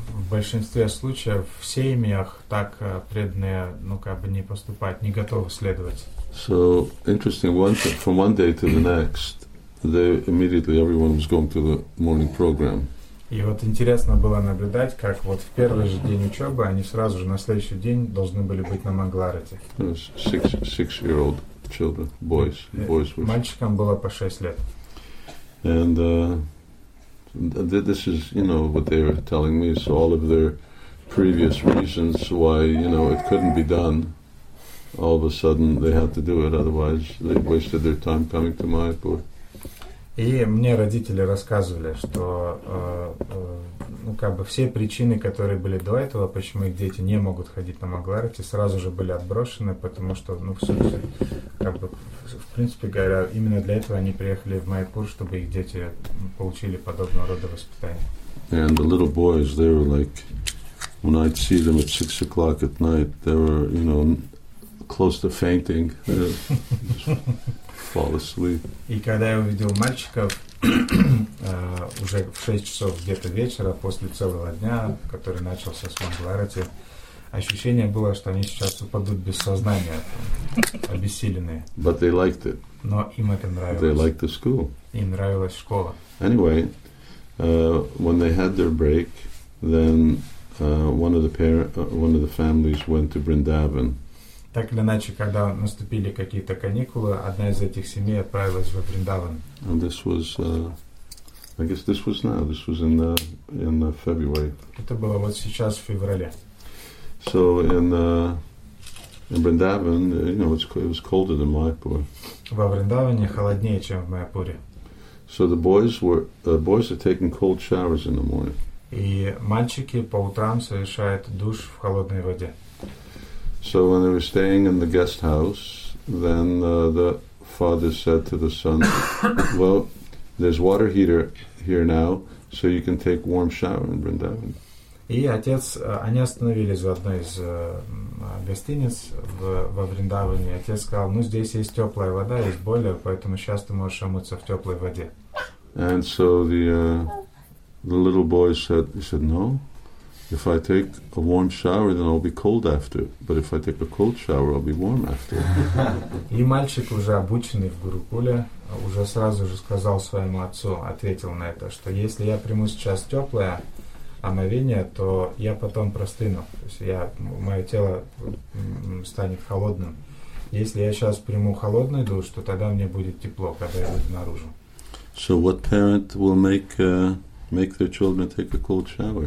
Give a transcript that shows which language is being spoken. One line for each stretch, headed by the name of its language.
Ukrainian: В більшості случаїв в сім'ях так преданні, ну, як би не поступати, не готові слідувати.
English: So interesting, from one day to the next, they immediately everyone was going to the morning program.
Russian: И вот интересно было наблюдать, как вот в первый же день учебы они сразу же на следующий день должны были быть на Мангаларти.
English: Six-year-old children, boys.
Russian: Мальчикам было по 6 лет.
English: And this is, you know, what they were telling me, so all of their previous reasons why, you know, it couldn't be done. All of a sudden they had to do it, otherwise they wasted their time coming to Mayapur.
Russian: И мне родители рассказывали, что ну, как бы все причины, которые были до этого, почему их дети не могут ходить на Мангаларти, сразу же были отброшены, потому что, ну, в принципе говоря, именно для этого они приехали в Майпур, чтобы их дети получили подобного рода воспитание.
English: And the little boys, they were like, when I'd see them at 6 o'clock at night, they were, you know, close to fainting. Fall asleep.
Russian: И когда я увидел мальчиков уже в 6 часов где-то вечера после целого дня, который начался с Мангаларти, ощущение было, что они сейчас упадут без сознания, обессиленные.
English: But they liked it.
Russian: Но им это нравилось.
English: They liked the school.
Russian: Им нравилась школа.
English: Anyway, when they had their break, then one of the families went to Vrindavan.
Russian: Так или иначе, когда наступили какие-то каникулы, одна из этих семей отправилась в Вриндаван.
English: And this was, I guess this was now, this was in February.
Russian: Это было вот сейчас, в феврале.
English: So in Vrindavan, you know, it was colder than Mayapur.
Russian: Во Вриндаване холоднее, чем в Майапуре.
English: So the boys were, boys are taking cold showers in the morning.
Russian: И мальчики по утрам совершают душ в холодной воде.
English: So when they were staying in the guest house, then the father said to the son, well, there's water heater here now, so you can take warm shower in Vrindavan.
Russian: И отец, они остановились в одной из гостиниц во Вриндаване. Отец сказал, ну здесь есть теплая вода, есть бойлер, поэтому сейчас ты можешь омыться в теплой воде.
English: And so the little boy said, he said, no. If I take a warm shower, then I'll be cold after. But if I take a cold shower, I'll be warm after.
Russian: И мальчик уже обученный в Гурукуле уже сразу же сказал своему отцу, ответил на это, что если я приму сейчас теплое омовение, то я потом простыну. То есть мое тело станет холодным. Если я сейчас приму холодный душ, то тогда мне будет тепло, когда я выйду наружу.
English: So what parent will make make their children take a cold shower.